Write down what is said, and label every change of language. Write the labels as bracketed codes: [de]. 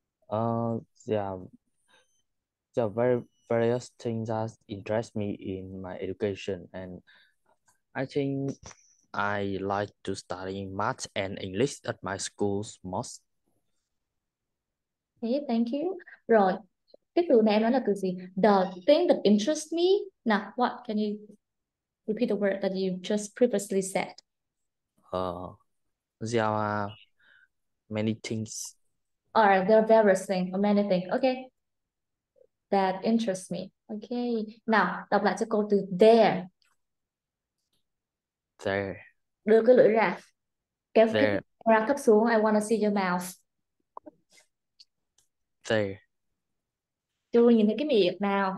[en] There are very various things that interest me in my education, and I think I like to study math and English at my schools most. Okay, thank you. [vi] Rồi, cái từ này em nói là từ gì? [en] The thing that interests me. Now, what? Can you repeat the word that you just previously said? There are many things. All right, there are various things, or many things. Okay. That interests me. Okay. [vi] Now, đọc lại cho cô từ there. [en] There. [vi] Đưa cái lưỡi ra. Kéo [en] There. [vi] Cái ra thấp xuống. [en] I want to see your mouth. There. [vi] Chú nhìn thấy cái miệng nào.